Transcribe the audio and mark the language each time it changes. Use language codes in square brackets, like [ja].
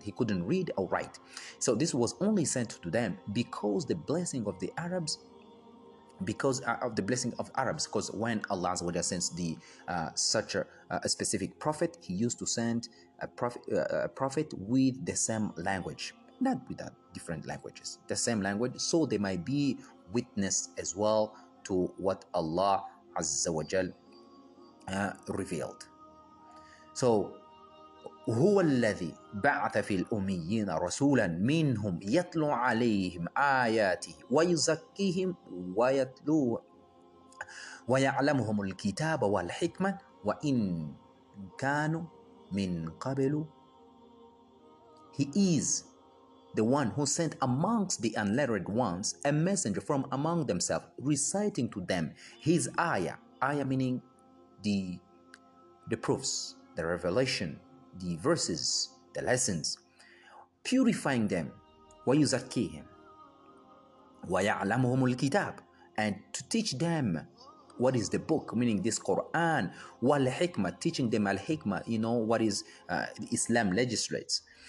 [en] He couldn't read or write. So this was only sent to them because the blessing of the Arabs, because when Allah Azza wa Jalla sends the such a specific prophet, He used to send a prophet with the same language, not with that different languages, the same language, so they might be witness as well to what Allah Azza wa Jalla revealed. [ar] So هو الذي بعث في الأميين رسولا منهم يتلو عليهم آياته ويزكيهم ويتلو ويعلمهم الكتاب والحكمة وإن كانوا من قبل. [en] He is the one who sent amongst the unlettered ones a messenger from among themselves, reciting to them His ayah, meaning the proofs, the revelation, the verses, the lessons, purifying them, [ar] وَيُزَكِّيهِمْ وَيَعْلَمُهُمُ الْكِتَابِ, [en] and to teach them what is the book, meaning this Quran, [ar] وَالْحِكْمَةِ, [en] teaching them al-hikmah, you know, what is Islam legislates.